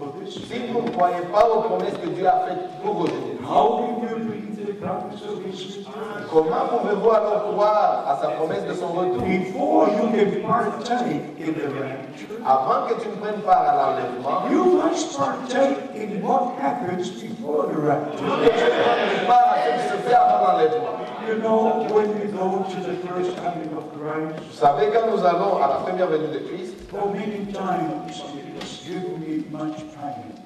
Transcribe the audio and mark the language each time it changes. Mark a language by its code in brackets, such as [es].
[fr] Si vous ne croyez pas aux promesses que Dieu a faites pour aujourd'hui, comment pouvez-vous alors croire à sa promesse de son retour? Avant que tu ne prennes part à l'enlèvement, tu dois prendre part à ce qui se fait avant l'enlèvement. [en] You know, when we go to the first coming of Christ, [fr] vous savez, quand nous allons à la première venue de Christ, [en] for many times it's given me much pain.